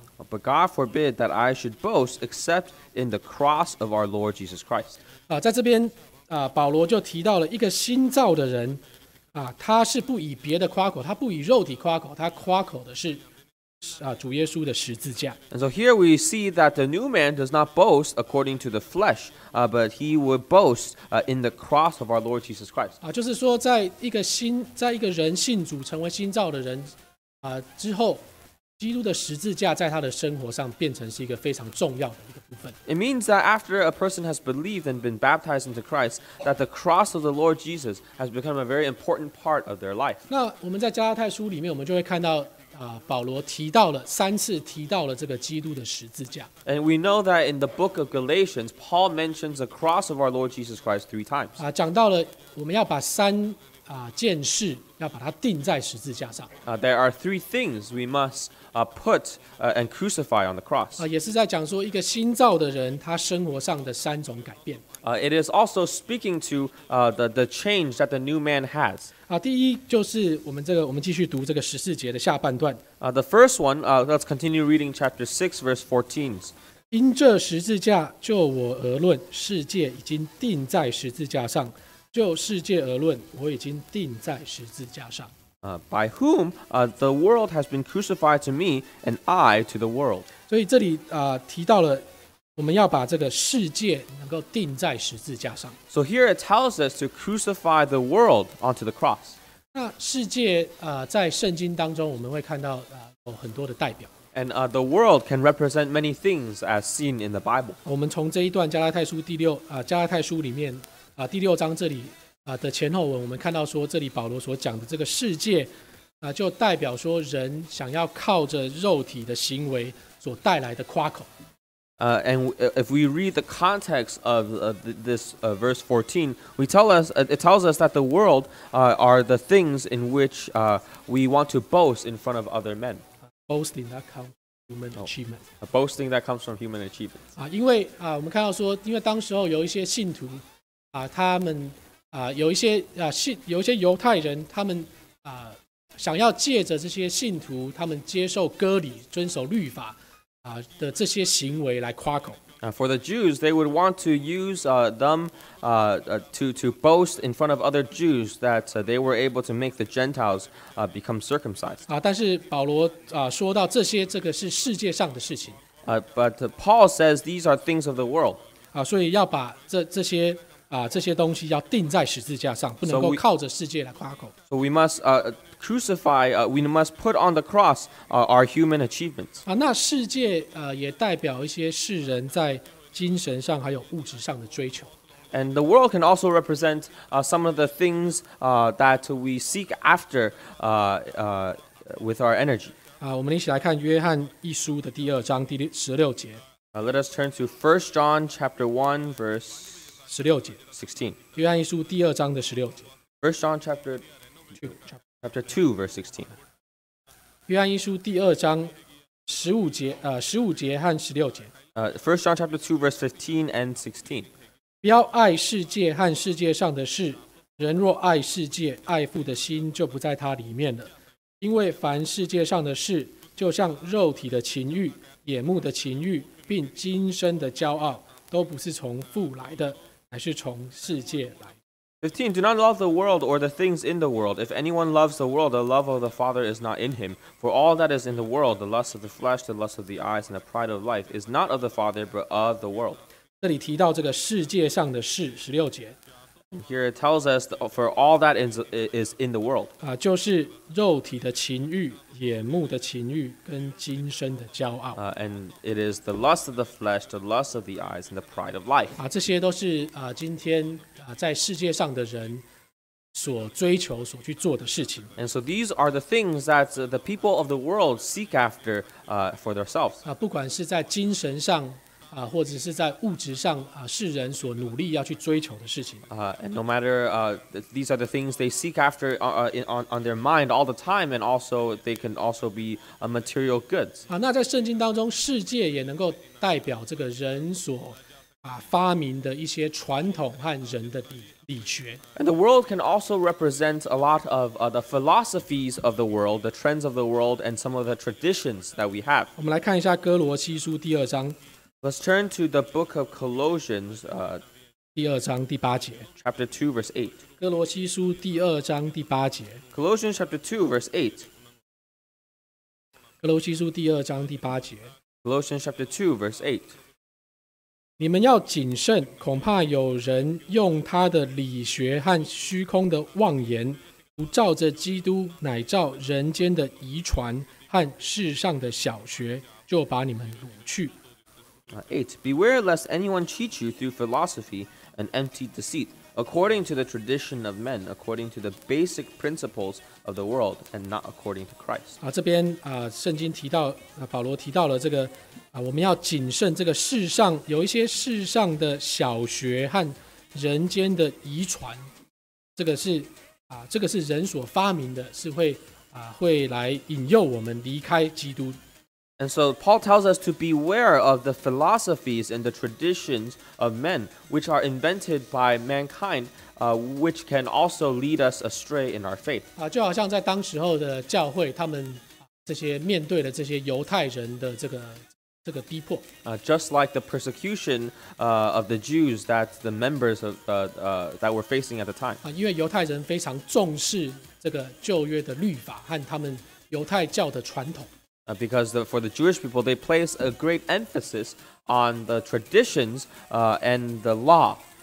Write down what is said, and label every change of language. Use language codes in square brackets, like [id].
[en] But God forbid that I should boast except in the cross of our Lord Jesus Christ. [zh] 在这边保罗就提到了一个新造的人他是不以别的夸口，他不以肉体夸口，他夸口的是主耶稣的十字架。 [en] And so here we see that the new man does not boast according to the flesh, but he would boast in the cross of our Lord Jesus Christ. [zh] 就是说在一个人信主成为新造的人之后基督的十字架在他的生活上变成是一个非常重要的一个部分。 [en] It means that after a person has believed and been baptized into Christ, that the cross of the Lord Jesus has become a very important part of their life. [zh] 那我们在加拉太书里面我们就会看到保罗提到了三次提到了这个基督的十字架。 [en] And we know that in the book of Galatians, Paul mentions the cross of our Lord Jesus Christ three times. [zh] 讲到了我们要把三件事要把它钉在十字架上。 [en] There are three things we must put and crucify on the cross. [zh] 也是在讲说一个新造的人他生活上的三种改变。 [en] It is also speaking to the change that the new man has. [zh] 第一就是我们继续读这个十四节的下半段。 [en] The first one, let's continue reading chapter 6, verse 14. [zh] 因这十字架，就我而论，世界已经钉在十字架上。就世界而论，我已经钉在十字架上。 [en] By whom the world has been crucified to me, and I to the world. [zh] 所以这里提到了我们要把这个世界能够钉在十字架上。 [en] So here it tells us to crucify the world onto the cross. [zh] 那世界在圣经当中我们会看到有很多的代表。 [en] And the world can represent many things as seen in the Bible. [zh] 我们从这一段加拉太书第六加拉太书里面第六章这里的前后文，我们看到说这里保罗所讲的这个世界就代表说人想要靠着肉体的行为所带来的夸口。 [en] And if we read the context of this verse 14, it tells us that the world are the things in which we want to boast in front of other men. Boasting that comes from human achievement. Boasting that comes from human achievement. [zh] 因为我们看到说，因为当时候有一些信徒，他们有一些犹太人他们想要借着这些信徒他们接受割礼遵守律法的这些行为来夸口。 [en] For the Jews, they would want to use to boast in front of other Jews that they were able to make the Gentiles become circumcised. [zh] 但是保罗说到这些这个是世界上的事情。 [en] But Paul says these are things of the world. [zh] 所以要把这些东西要钉在十字架上，不能够靠着世界来夸口。 [en] So we must we must put on the cross our human achievements. [zh] 那世界也代表一些世人在精神上还有物质上的追求。 [en] And the world can also represent some of the things that we seek after with our energy. [zh] 我们一起来看约翰一书的第二章第十六节。 [en] Let us turn to 1 John chapter 1 verse 16. [zh] 约翰一书第二章的十六节。 [en] 1 John chapter 2, chapter 2 verse 16. [zh] 约翰一书第二章十五节十五节和十六节。 [en] 1 John chapter 2 verse 15 and 16. [zh] 不要爱世界和世界上的事，人若爱世界，爱父的心就不在他里面了。因为凡世界上的事，就像肉体的情欲、眼目的情欲，并今生的骄傲，都不是从父来的，乃是从世界来的。 [en] 15. Do not love the world or the things in the world. If anyone loves the world, the love of the Father is not in him. For all that is in the world, the lust of the flesh, the lust of the eyes, and the pride of life, is not of the Father, but of the world. [zh] 这里提到这个世界上的事，十六节。 [en] Here it tells us for all that is in the world. [zh] 就是肉体的情欲、眼目的情欲跟今生的骄傲。 [en] And it is the lust of the flesh, the lust of the eyes, and the pride of life. [zh] 这些都是今天在世界上的人所追求、所去做的事情。 [en] And so these are the things that the people of the world seek after for themselves. [zh] 不管是在精神上。或者是在物质上世人所努力要去追求的事情。 [en] And no matter these are the things they seek after on their mind all the time, and also they can also be a material goods. [zh] 那在圣经当中，世界也能够代表这个人所发明的一些传统和人的理学。 [en] And the world can also represent a lot of the philosophies of the world, the trends of the world, and some of the traditions that we have. [zh] 我们来看一下哥罗西书第二章。 [en] Let's turn to the book of Colossians, [zh] 第二章第八节。 [en] Chapter 2, verse 8. [zh] 哥罗西书第二章第八节。 [en] Colossians chapter 2, verse 8. [zh] 哥罗西书第二章第八节。 [en] Colossians chapter 2, verse 8. [zh] 你们要谨慎，恐怕有人用他的理学和虚空的妄言，不照着基督，乃照人间的遗传和世上的小学，就把你们掳去。 [en] 8. Beware lest anyone cheat you through philosophy and empty deceit, according to the tradition of men, according to the basic principles of the world, and not according to Christ. [zh] 这边圣经提到保罗提到了这个我们要谨慎这个世上有一些世上的小学和人间的遗传，这个是人所发明的，是会来引诱我们离开基督。 [en] And so Paul tells us to beware of the philosophies and the traditions of men, which are invented by mankind, which can also lead us astray in our faith. [zh] 就好像在当时候的教会，他们这些面对的这些犹太人的这个逼迫。 [en] Just like the persecution of the Jews that the members of that were facing at the time. [zh] 因为犹太人非常重视这个旧约的律法和他们犹太教的传统。 [en] Because for the Jewish people, they place a great emphasis on the traditions and the law.